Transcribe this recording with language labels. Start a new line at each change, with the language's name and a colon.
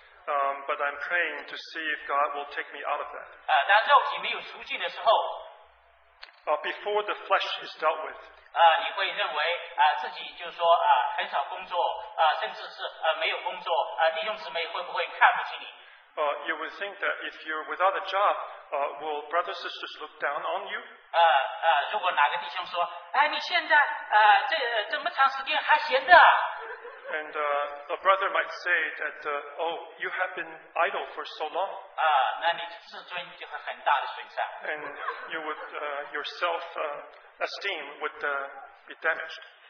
English: But I'm praying to see if God will take me out of that. Before the flesh is dealt with, you would think that if you're without a job, will brothers and sisters look down on you?
Chinese: 如果哪个弟兄说，哎，你现在这么长时间还闲着啊？
English: And a brother might say that, oh, you have been idle for so long. And you would, your self-esteem would be damaged.